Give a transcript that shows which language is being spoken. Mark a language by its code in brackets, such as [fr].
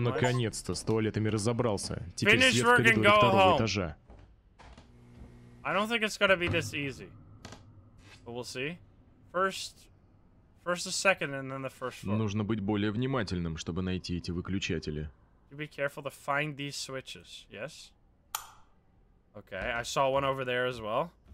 [ru] Ну наконец-то с туалетами разобрался. Теперь свет в коридоре второго этажа. [en] I don't think it's gonna be this easy. But we'll see. First the second, and then the first floor. [ru] Нужно быть более внимательным, чтобы найти эти выключатели. [en] You be careful to find these switches, yes? Okay, I saw one over there as well.